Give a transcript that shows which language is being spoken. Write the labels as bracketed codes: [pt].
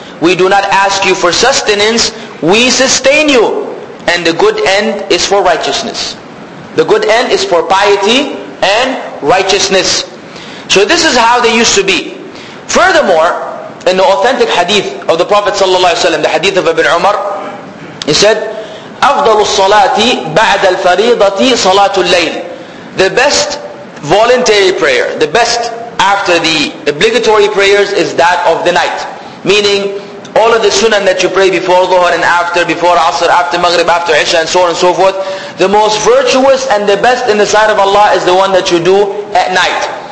[en] We do not ask you for sustenance, we sustain you. And the good end is for righteousness. The good end is for piety and righteousness. So this is how they used to be. Furthermore, in the authentic hadith of the Prophet ﷺ, the hadith of Ibn Umar, he said, [ar] أفضل الصلاة بعد الفريضة صلاة الليل. [en] The best voluntary prayer, the best after the obligatory prayers is that of the night. Meaning, all of the sunnah that you pray before Dhuhr and after, before Asr, after Maghrib, after Isha and so on and so forth, the most virtuous and the best in the sight of Allah is the one that you do at night.